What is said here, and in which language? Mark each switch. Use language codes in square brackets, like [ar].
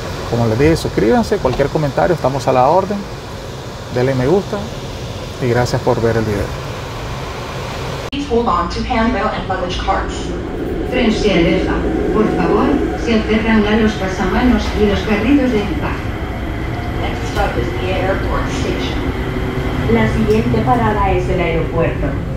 [es] Como les dije, suscríbanse, cualquier comentario, estamos a la orden. Denle me gusta y gracias por ver el video. Tren se aleja. Por favor, se acercan a los pasamanos y los carritos de empaque. [en] Next stop is the airport station. [es] La siguiente parada es el aeropuerto.